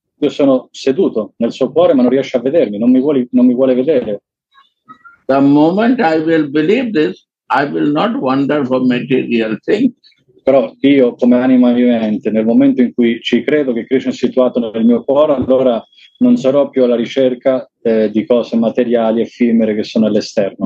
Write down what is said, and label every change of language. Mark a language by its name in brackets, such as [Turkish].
[Italian] Io sono seduto nel suo cuore ma non riesce a vedermi, non mi vuole vedere. [English] The moment I will believe this, I will not wander for material things. [Italian] Però io come anima vivente, nel momento in cui ci credo che Krishna è situato nel mio cuore, allora non sarò più alla ricerca di cose materiali effimere che sono all'esterno.